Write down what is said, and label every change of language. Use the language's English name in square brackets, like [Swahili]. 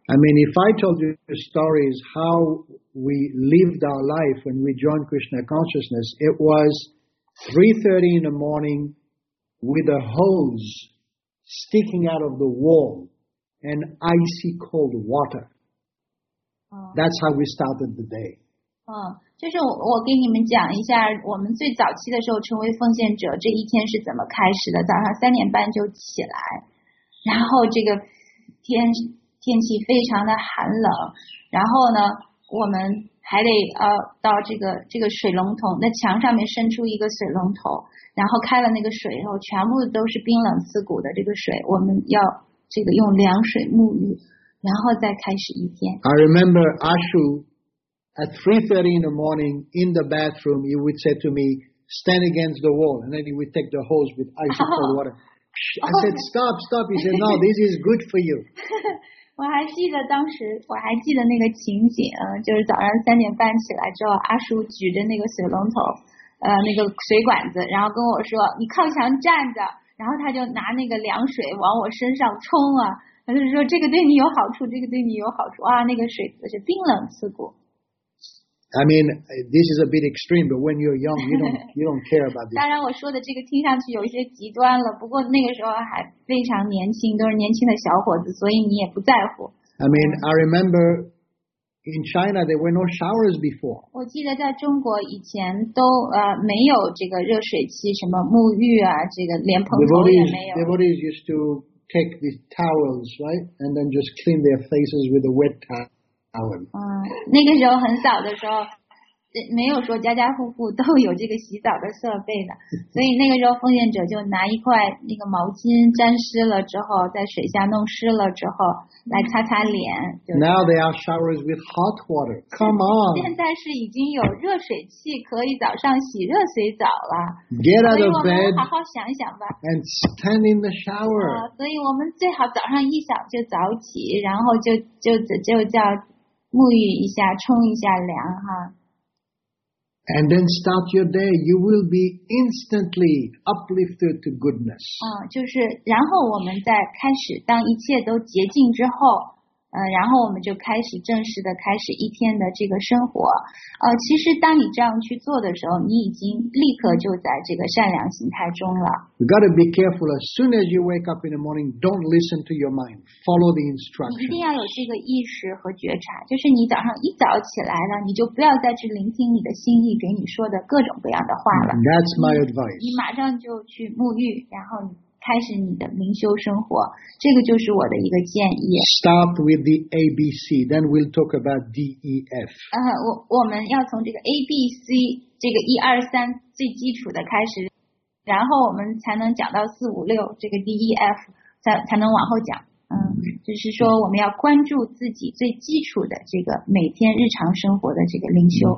[English] I mean, if I told you the stories how we lived our life when we joined Krishna consciousness, it was 3:30 in the morning with a hose sticking out of the wall and icy cold water. That's how we started the day. [Chinese] 就是我给你们讲一下我们最早期的时候成为奉献者这一天是怎么开始的。早上3:30就起来，然后这个天气非常的寒冷，然后呢我们还得到这个水龙头，那墙上面伸出一个水龙头，然后开了那个水以后，全部都是冰冷刺骨的这个水，我们要这个用凉水沐浴，然后再开始一天。 [English] I remember Ashu at 3:30 in the morning in the bathroom, he would say to me, stand against the wall, and then he would take the hose with ice and cold water. I said, stop, he said, no, this is good for you. [Chinese] 我还记得那个情景，就是早上3:30起来之后，阿叔举着那个水龙头，那个水管子，然后跟我说：“你靠墙站着。” 然后他就拿那个凉水往我身上冲啊，他就说：“这个对你有好处，这个对你有好处。” 哇，那个水是冰冷刺骨。 [English] I mean, this is a bit extreme, but when you're young, you don't care about this. [Chinese] 当然，我说的这个听上去有一些极端了。不过那个时候还非常年轻，都是年轻的小伙子，所以你也不在乎。 [English] I mean, I remember in China there were no showers before. [Chinese] 我记得在中国以前都没有这个热水器，什么沐浴啊，这个连蓬头也没有。 [English] Devotees used to take these towels, right, and then just clean their faces with a wet towel. [Chinese] 那个时候很早的时候，没有说家家户户都有这个洗澡的设备的，所以那个时候奉献者就拿一块那个毛巾沾湿了之后，在水下弄湿了之后来擦擦脸。 [English] Now they are showers with hot water. Come on. [Chinese] 现在是已经有热水器可以早上洗热水澡了。 [English] Get out of bed. [Chinese] 好好想想吧。 [English] And stand in the shower. [Chinese] 所以我们最好早上一想就早起，然后就叫。沐浴一下，冲一下凉哈。 [English] And then start your day. You will be instantly uplifted to goodness. [Chinese] 就是然后我们再开始，当一切都洁净之后，然后我们就开始正式的开始一天的这个生活。其实当你这样去做的时候，你已经立刻就在这个善良形态中了。 [English] You gotta be careful. As soon as you wake up in the morning, don't listen to your mind. Follow the instructions. [Chinese] 你一定要有这个意识和觉察，就是你早上一早起来了，你就不要再去聆听你的心意给你说的各种各样的话了。 [English] That's my advice. [Chinese] 你马上就去沐浴，然后你。开始你的灵修生活，这个就是我的一个建议。 [English] Start with the ABC, then we'll talk about DEF. [Chinese] 我们要从这个 ABC 这个一二三最基础的开始，然后我们才能讲到四五六这个 DEF， 才能往后讲。就是说我们要关注自己最基础的这个每天日常生活的这个灵修。